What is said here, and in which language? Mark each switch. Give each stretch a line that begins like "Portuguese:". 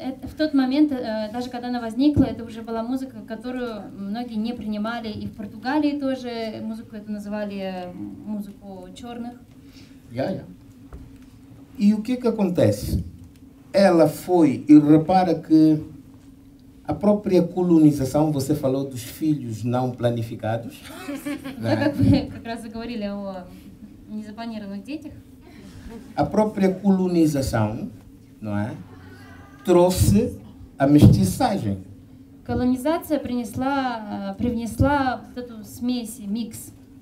Russian: В тот момент, даже когда она возникла, это уже была музыка, которую многие не принимали. И в Португалии тоже музыку эту называли музыку черных.
Portuguese: Я. И o que acontece? Ela foi,
Russian: и
Portuguese: repara que a própria colonização, você falou dos filhos não planificados.
Russian: Да, как раз говорили о незапланированных детях.
Portuguese: A própria colonização, não é? Trouxe a mestiçagem.
Russian: Colonização принесла эту смесь, mix.